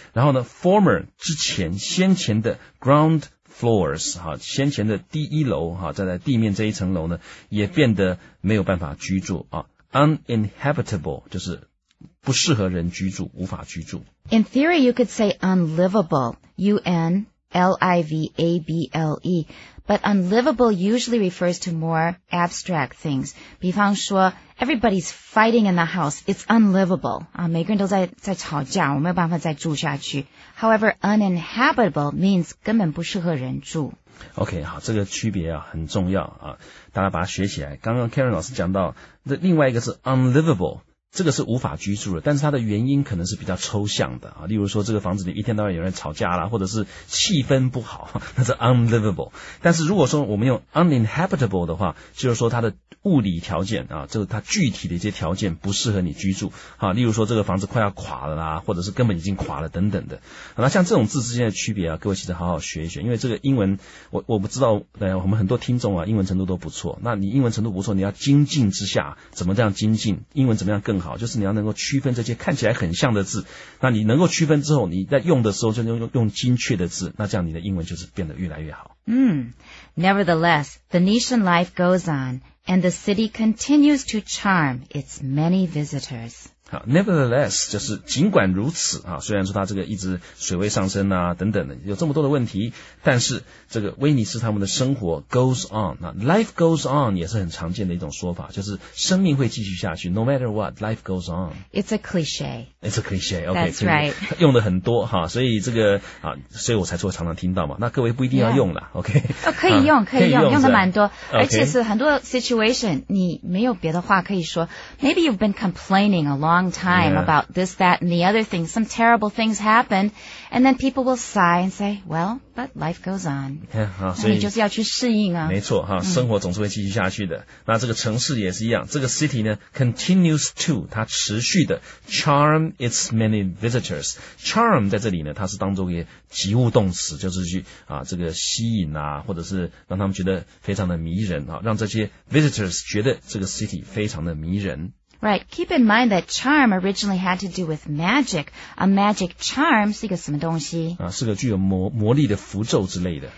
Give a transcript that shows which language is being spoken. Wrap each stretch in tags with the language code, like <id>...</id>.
<zh>然后呢 ,former 之前先前的</zh> <en>ground floors,</en> <zh>啊先前的第一楼啊站在地面这一层楼呢也变得没有办法居住啊 ,uninhabitable, 就是不适合人居住无法居住。</zh> <en>In theory, you could say unlivable, UNLIVABLE, but unlivable usually refers to more abstract things.</en> <zh>比方说</zh> <en>everybody's fighting in the house, it's unlivable.、</en> <zh>每个人都在吵架我没有办法再住下去。</zh> <en>However, uninhabitable means</en> <zh>根本不适合人住。 OK, 好这个区别啊很重要啊大家把它学起来。刚刚 Karen 老师讲到的另外一个是 unlivable。这个是无法居住的但是它的原因可能是比较抽象的、啊、例如说这个房子里一天到晚有人吵架啦或者是气氛不好那是 unlivable 但是如果说我们用 uninhabitable 的话就是说它的物理条件啊，就是它具体的一些条件不适合你居住、啊、例如说这个房子快要垮了啦或者是根本已经垮了等等的那像这种字之间的区别啊，各位其实好好学一学因为这个英文我不知道我们很多听众啊，英文程度都不错那你英文程度不错你要精进之下怎么这样精进英文怎么样更好就是你要能够区分这些看起来很像的字那你能够区分之后你在用的时候就用精确的字那这样你的英文就是变得越来越好、 mm.</zh> <en>Nevertheless, Venetian life goes on and the city continues to charm its many visitors</en> <zh>Nevertheless, 就是尽管如此、啊、虽然说它这个一直水位上升啊等等的有这么多的问题但是这个威尼斯他们的生活 goes on、啊、Life goes on 也是很常见的一种说法就是生命会继续下去</zh> <en>No matter what, life goes on It's a cliché It's a cliché, OK That's right</en> <zh>用的很多、啊、所以这个、啊、所以我才说常常听到嘛那各位不一定要用啦、</zh> <en>yeah. OK、</en> <zh>哦、可以用、啊、可以用用的蛮多、okay. 而且是很多 situation 你没有别的话可以说</zh> <en>Maybe you've been complaining a longtime、 yeah. about this, that, and the other thing. Some terrible things happened, and then people will sigh and say, well, but life goes on. Yeah,</en> <zh>所以你就是要去适应啊。没错、啊嗯、生活总是会继续下去的。那这个城市也是一样，这个 city 呢 continues to, 它持续的</zh> <en>charm its many visitors.</en> <zh>Charm 在这里呢，它是当作一个及物动词，就是去、啊、这个吸引啊，或者是让他们觉得非常的迷人、啊、让这些 visitors 觉得这个 city 非常的迷人。</zh> <en>Right, keep in mind that charm originally had to do with magic. A magic charm</en> <zh>是一个什么东西、啊、是个具有 魔力的符咒之类的。</zh>